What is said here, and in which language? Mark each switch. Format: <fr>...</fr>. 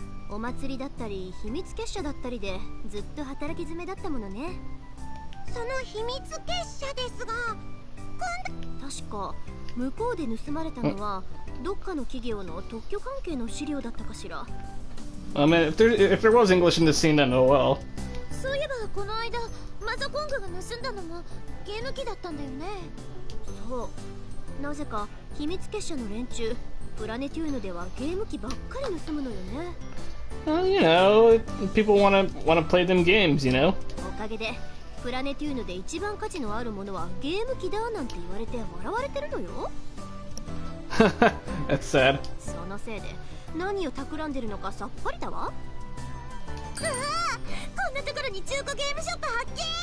<ja>お祭りだったり秘密結社だったりでずっと働き詰めだったものね。その秘密結社ですが、今度確か向こうで盗まれたのはどっかの企業の特許関係の資料だったかしら。</ja> <en>I mean, if there was English in this scene, then oh well.</en> <ja>そういえばこの間マザコングが盗んだのもゲーム機だったんだよね。そう。なぜか秘密結社の連中。</ja> <en>Well, you know, people want to play them games, you know?</en> <ja>おかげで、プラネテューヌで一番価値のあるものはゲーム機だなんて言われて笑われてるのよ。</ja> <en>That's sad.</en> <ja>そのせいで、何を企んでるのかさっぱりだわ。うわぁ、こんなところに中古ゲームショップ発見！</ja>